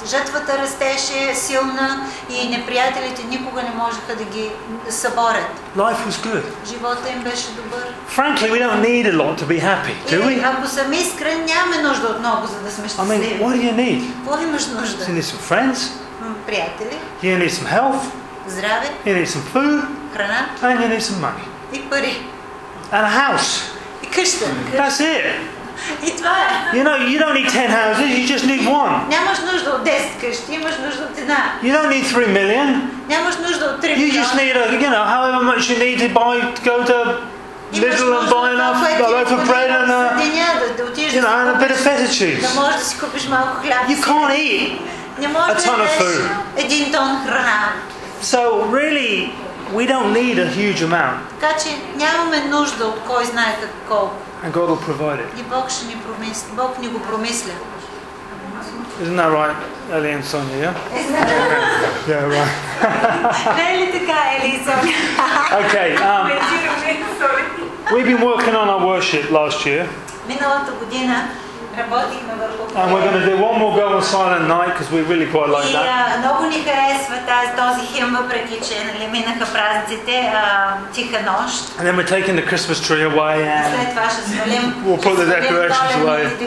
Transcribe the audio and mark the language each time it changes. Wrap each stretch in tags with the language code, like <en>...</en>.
<bg>Жътвата растеше силна и неприятелите никога не можеха да ги съборят.</bg> <en>Life was good.</en> <bg>Живота им беше добър.</bg> <en>Frankly, we don't need a lot to be happy, do we?</en> <bg>Ако съм искрен, нямаме нужда от много, за да сме щастливи.</bg> <en>I mean, what do you need?</en> <bg>Какво имаш нужда?</bg> <en>You need some friends.</en> <bg>Приятели.</bg> <en>You need some health.</en> <bg>Здраве.</bg> <en>You need some food.</en> <bg>Храна.</bg> <en>And you need some money.</en> <bg>И пари.</bg> <en>And a house.</en> <bg>И къща.</bg> <en>That's it. You know, you don't need 10 houses, you just need one.</en> <bg>Нямаш нужда от 10 къщи, имаш нужда от една.</bg> <en>You don't need 3 million.</en> <bg>Нямаш нужда от 3</bg> <en>million. You just need, however much you need to buy, go to Little and buy enough, a loaf of bread and a bit of feta cheese.</en> <bg>Да можеш да си купиш малко хляб.</bg> <en>You can't eat a ton of food.</en> <bg>Един тон храна.</bg> <en>So really, we don't need a huge amount.</en> <bg>Така че нямаме нужда от кой знае колко.</bg> <en>And God will provide it.</en> <bg>И Бог ще ни промисли. Бог ни го промисля.</bg> <en>Isn't that right, Ellie and Sonia? Yeah. Yeah, right.</en> <bg>Не е ли така, Ellie and Sonia?</bg> <en>Okay. We've been working on our worship last year.</en> <bg>Миналата година</bg> <en>And we're going to do one more Go on Silent Night because we really quite like that.</en> <bg>Много ни харесва този хим, въпреки че минаха празниците, тиха нощ.</bg> <en>And then we're taking the Christmas tree away. We'll put the decorations away.</en>